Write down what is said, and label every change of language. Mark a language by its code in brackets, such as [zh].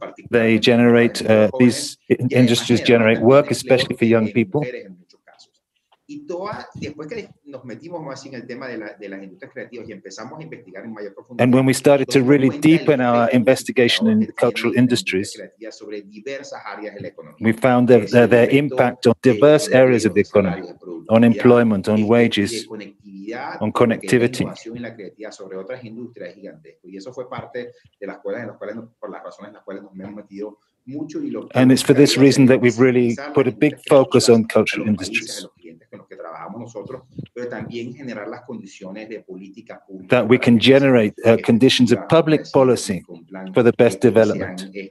[en] They generate, these industries generate work, especially for young people. [es] Y toda, después que nos metimos más en el tema de, la, de las industrias creativas y empezamos a investigar en mayor profundidad. [en] And when we started to really deepen our investigation in cultural industries, [es] sobre diversas áreas de la economía, [en] we found their impact on diverse areas of the economy, on employment, on wages, on connectivity. [es] Y la creatividad sobre otras industrias gigantescas. Y eso fue parte de las cuales, por las razones en las cuales nos hemos metido. [en] And it's for this reason that we've really put a big focus on cultural industries. That we can generate conditions of public policy for the best development.